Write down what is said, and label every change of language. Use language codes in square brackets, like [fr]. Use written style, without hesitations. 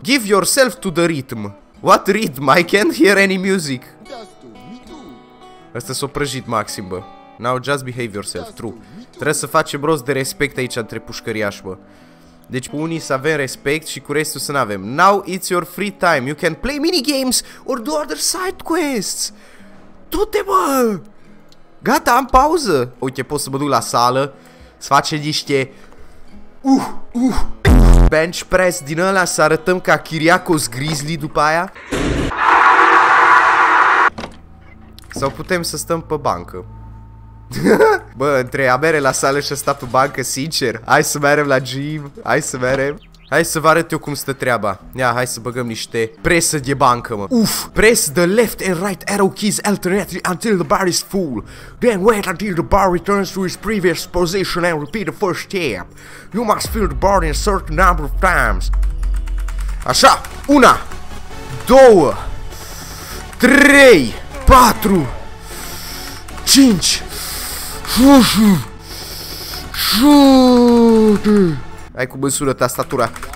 [en] Give yourself to the rhythm. What rhythm? I can't hear any music. [ro] Asta s-a prăjit, Maxim, bă. [en] Now just behave yourself, true. [ro] Trebuie să facem rost de respect aici între pușcăriași, bă. Deci cu unii să avem respect și cu restul să n-avem. [en] Now it's your free time. You can play minigames or do other side quests. [ro] Du-te, mă! Gata, am pauză. Uite, pot să mă duc la sală, să facem niște... bench press din ăla să arătăm ca Kyriakos Grizzly după aia? Sau putem să stăm pe bancă? Bă, între a mere la sală și a sta pe bancă, sincer, hai să merem la gym, hai să merem. Hai să vă arăt eu cum stă treaba. Ia, hai să băgăm niște presă de bancă, mă. [en] Uf, press the left and right arrow keys alternately until the bar is full. Then wait until the bar returns to its previous position and repeat the first step. You must fill the bar in a certain number of times. [ro] Așa, una, două, trei, patru, cinci. Șute. Hai cu măsură tastatura.